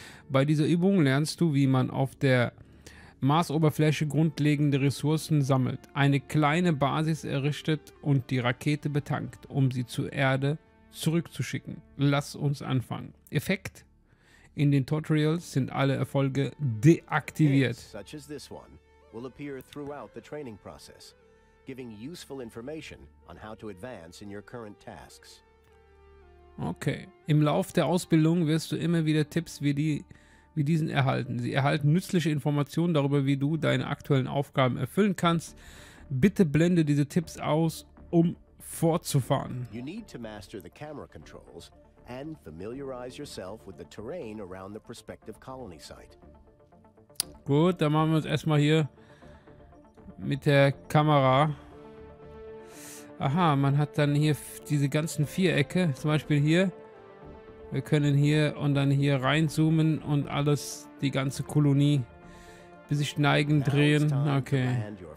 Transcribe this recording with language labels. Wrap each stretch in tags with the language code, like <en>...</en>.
<de>Bei dieser Übung lernst du, wie man auf der Marsoberfläche grundlegende Ressourcen sammelt, eine kleine Basis errichtet und die Rakete betankt, um sie zur Erde zurückzuschicken. Lass uns anfangen. Effekt: In den Tutorials sind alle Erfolge deaktiviert.</de> <en>Hints, such as this one, will appear throughout the training process, giving useful information on how to advance in your current tasks. Okay.</en> <de>Im Lauf der Ausbildung wirst du immer wieder Tipps wie diesen erhalten. Sie erhalten nützliche Informationen darüber, wie du deine aktuellen Aufgaben erfüllen kannst. Bitte blende diese Tipps aus, um fortzufahren.</de> <en>You need to master the camera controls and familiarize yourself with the terrain around the prospective colony site.</en> <de>Gut, dann machen wir uns erstmal hier mit der Kamera. Aha, man hat dann hier diese ganzen Vierecke, zum Beispiel hier. Wir können hier und dann hier reinzoomen und alles, die ganze Kolonie, bis sich neigen, drehen. Okay.</de>